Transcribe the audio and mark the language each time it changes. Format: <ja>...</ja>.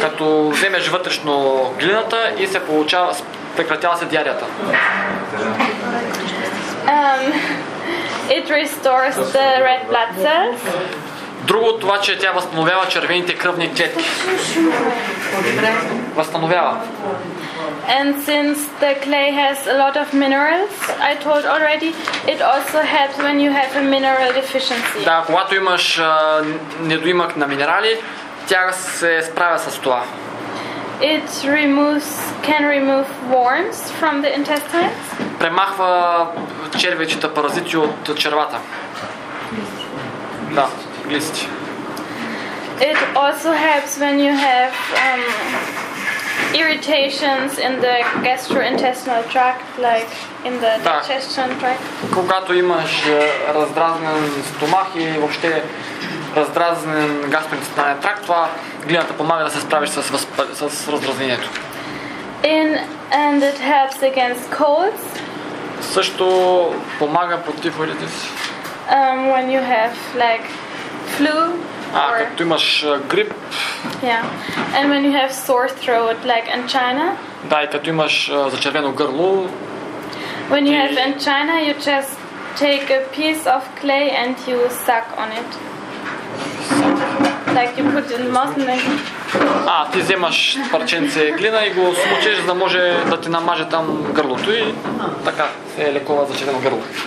<bg>Като вземеш вътрешно глината и се получава, прекратява се диарията.</bg> <en>It restores the red blood cells.</en> <bg>Друго това, че тя възстановява червените кръвни клетки. Възстановява.</bg> <en>And since the clay has a lot of minerals, I told already, it also helps when you have a mineral deficiency.</en> <bg>Да, когато имаш недоимък на минерали, тя се справя с това?</bg> <en>It removes, can remove worms from the intestines.</en> <bg>Премахва червечета, паразити от червата. Да, глисти.</bg> <en>It also helps when you have irritations in the gastrointestinal tract, like in the digestion tract.</en> <bg>Когато имаш раздразнен стомах и въобще раздразнен гастроинтестинален тракт, това глината помага да се справиш с раздразнението.</bg> <en>And it helps against colds.</en> <bg>Също помага против вредите си.</bg> <en>When you have like flu.</en> <bg>А, като имаш грип.</bg> <en>Yeah. And when you have sore throat, like angina.</en> <bg>Да, и като имаш зачервено гърло.</bg> <en>When you have angina, you just take a piece of clay and you suck on it. Like you put in muslin.</en> <bg>А, ти вземаш парченце глина и го смучеш, за да може да ти намаже там гърлото и така се лекува зачервено гърло.</bg>